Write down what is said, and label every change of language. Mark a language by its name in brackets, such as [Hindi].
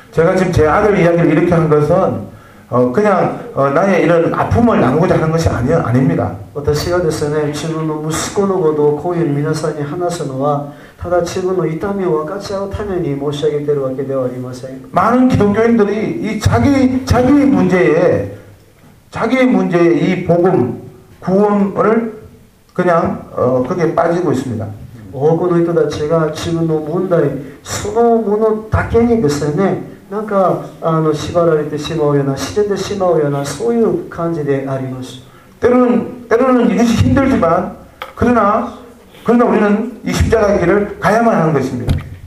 [Korean] 제가 지금 제 아들 이야기를 이렇게 한 것은 그냥 나의 이런 아픔을 나누고자 하는 것이 아닙니다. [Japanese] 私がですね、自分の息子のことをこういう皆さんに話すのは、ただ自分の痛みを分かち合うために申し上げているわけではありません。 [Korean] 많은 기독교인들이 이 자기의 문제에 이 복음, 구원을 그냥 거기에 빠지고 있습니다. [Japanese] 多くの人たちが自分の問題そのものだけにですね、 뭔가 縛られてしまうような、縛ってしまうような、そういう感じであります。 [Korean] 때로는 이것이 힘들지만 그러나 우리는 이 십자가의 길을 가야만 하는 것입니다.